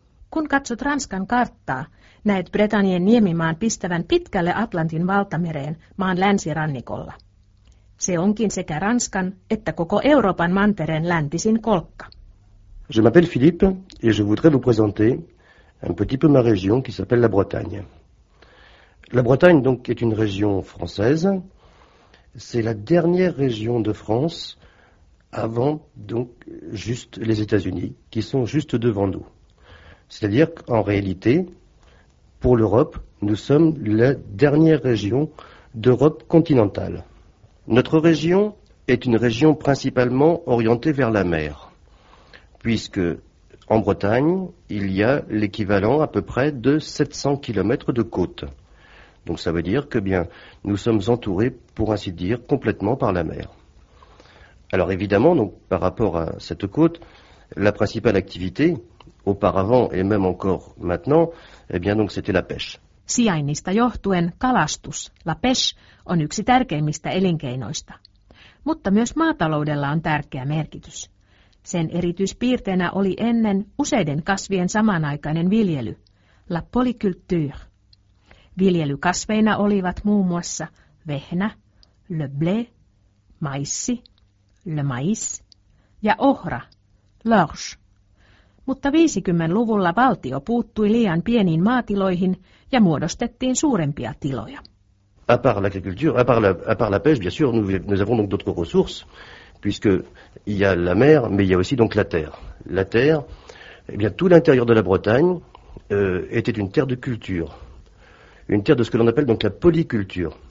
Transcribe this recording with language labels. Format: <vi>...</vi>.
<fi>Kun katsot Ranskan karttaa, näet Bretagnen niemimaan pistävän pitkälle Atlantin valtamereen maan länsirannikolla. Se onkin sekä Ranskan että koko Euroopan mantereen läntisin kolkka.</fi> <fr>Je m'appelle Philippe et je voudrais vous présenter un petit peu ma région qui s'appelle la Bretagne. La Bretagne donc est une région française. C'est la dernière région de France avant donc juste les États-Unis qui sont juste devant nous. C'est-à-dire qu'en réalité, pour l'Europe, nous sommes la dernière région d'Europe continentale. Notre région est une région principalement orientée vers la mer, puisque en Bretagne, il y a l'équivalent à peu près de 700 km de côte. Donc ça veut dire que bien, nous sommes entourés, pour ainsi dire, complètement par la mer. Alors évidemment, donc, par rapport à cette côte, la principale activité, auparavant et même encore maintenant, eh bien donc c'était la pêche.</fr> <fi>Sijainnista johtuen kalastus, la pêche, on yksi tärkeimmistä elinkeinoista. Mutta myös maataloudella on tärkeä merkitys. Sen erityispiirteenä oli ennen useiden kasvien samanaikainen viljely, la polyculture. Viljelykasveina olivat muun muassa vehnä, le blé, maissi, le maïs ja ohra, l'orge. Mutta 50-luvulla valtio puuttui liian pieniin maatiloihin ja muodostettiin suurempia tiloja.</fi> <fr>À part l'agriculture, à part la pêche, bien sûr, nous avons donc d'autres ressources, puisque il y a la mer, mais il y a aussi donc la terre. La terre, eh bien, tout l'intérieur de la Bretagne était une terre de culture, une terre de ce que l'on appelle donc la polyculture.</fr>